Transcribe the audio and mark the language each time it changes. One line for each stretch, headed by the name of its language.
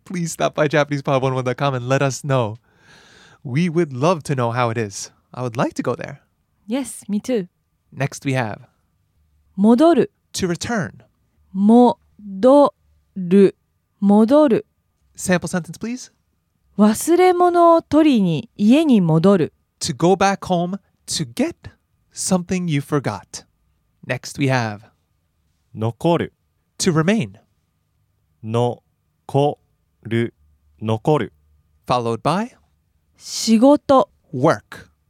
English: Please stop by JapanesePod101.com and let us know. We would love to know how it is. I would like to go there. Yes, me too. Next we have
Japanese: 戻る
English: To return 戻る戻る Sample sentence, please.
Japanese: 忘れ物を取りに家に戻る
English: To go back home to get something you forgot. Next we have
Japanese: 残る
English: To remain 残る残る Followed by
Japanese: 仕事
English: Work